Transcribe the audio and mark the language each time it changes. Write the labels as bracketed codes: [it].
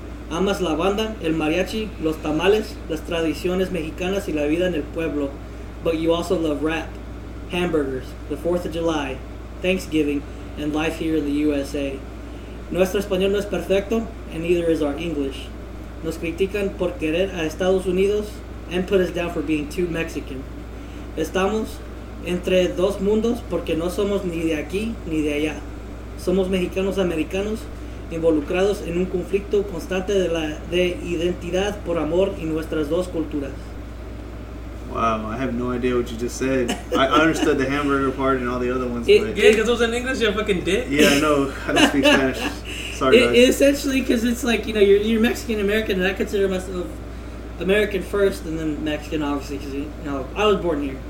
[es] Amas la banda, el mariachi, los tamales, las tradiciones mexicanas y la vida en el pueblo. [en] But you also love rap, hamburgers, the 4th of July, Thanksgiving, and life here in the USA. [es] Nuestro español no es perfecto, [en] and neither is our English. [es] Nos critican por querer a Estados Unidos [en] and put us down for being too Mexican. [es] Estamos entre dos mundos porque no somos ni de aquí ni de allá. Somos mexicanos americanos involucrados en un conflicto constante de identidad por amor y nuestras dos culturas. [en] Wow, I have no idea what you just said. I understood the hamburger part and all the other ones. Because it was in English, you're a fucking dick. Yeah, I know. I don't speak Spanish. Sorry, guys. Essentially, because it's like, you know, you're Mexican-American, and I consider myself American first and then Mexican, obviously, because, you know, I was born here.